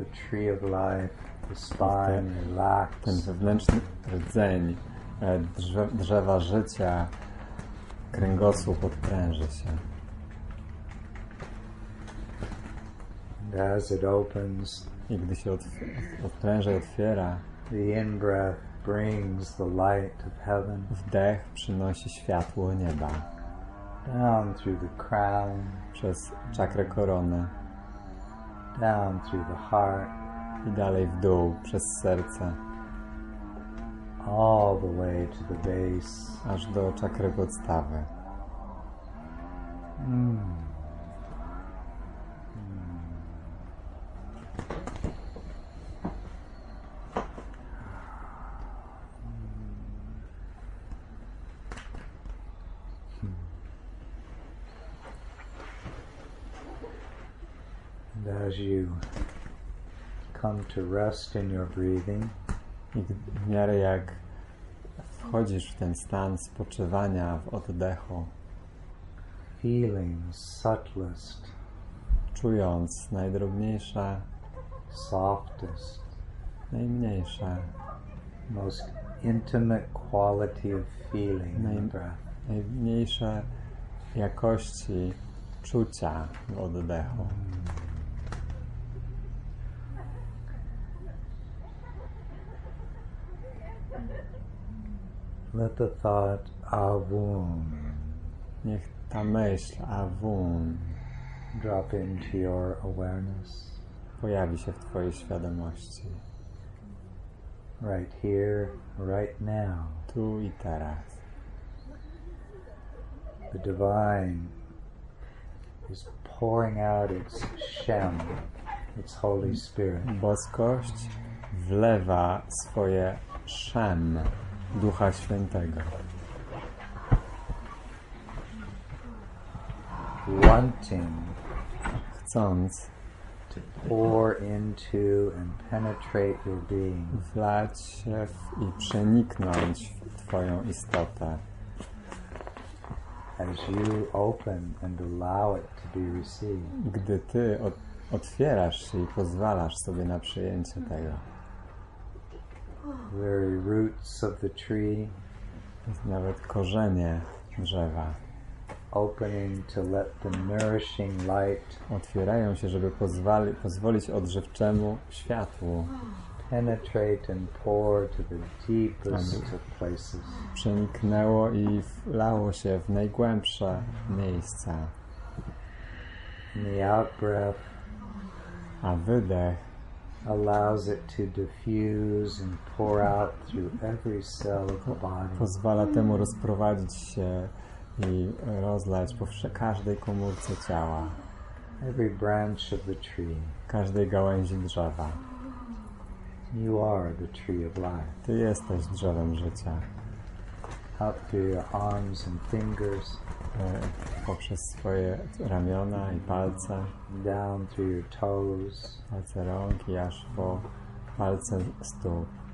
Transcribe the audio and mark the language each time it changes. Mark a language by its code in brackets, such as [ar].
[en] Tree of life, the spine relaxed. [pl] Ten wewnętrzny rdzeń drzewa życia, kręgosłup odpręży się. [en] And as it opens, [pl] i gdy się odpręża, otwiera, [en] the in-breath brings the light of heaven. [pl] Wdech przynosi światło nieba. [en] Down through the crown, [pl] przez czakrę korony. [en] Down through the heart. [pl] I dalej w dół, przez serce. [en] All the way to the base. [pl] Aż do czakry podstawy. [en] And as you come to rest in your breathing. [pl] I w miarę jak wchodzisz w ten stan spoczywania w oddechu, [en] feeling subtlest, [pl] czując najdrobniejsze, [en] softest, [pl] najmniejsze, [en] most intimate quality of feeling, breath. [pl] Najmniejsze jakości czucia w oddechu. [en] Let the thought avun. [pl] Niech ta myśl avun [en] drop into your awareness. [pl] Pojawi się w twojej świadomości. [en] Right here, right now. [pl] Tu i teraz. [en] The divine is pouring out its shem, its Holy Spirit. [pl] Boskość wlewa swoje shem. Ducha Świętego. [en] Wanting, [pl] chcąc, [en] to pour into and penetrate your being. [pl] Wlać się i przeniknąć w twoją istotę. [en] As you open and allow it to be received. [pl] Gdy ty otwierasz się i pozwalasz sobie na przyjęcie tego. [en] Very roots of the tree. [pl] Nawet korzenie drzewa. [en] Opening to let the nourishing light. [pl] Otwierają się, żeby pozwolić odżywczemu światłu. [en] Penetrate and pour to the deepest of places. [pl] Przeniknęło i wlało się w najgłębsze miejsca. [en] In the out breath. [pl] A wydech. [en] allows it to diffuse and pour out through every cell of the body. [pl] Pozwala temu rozprowadzić się i rozlać po każdej komórce ciała. [en] Every branch of the tree. [pl] Każdej gałęzi drzewa. [en] You are the tree of life. [pl] Ty jesteś drzewem życia. [en] Out through your arms and fingers. [pl] Poprzez swoje ramiona i palce. [en] Down through your toes. [pl] Palce rąk i aż po palce stóp.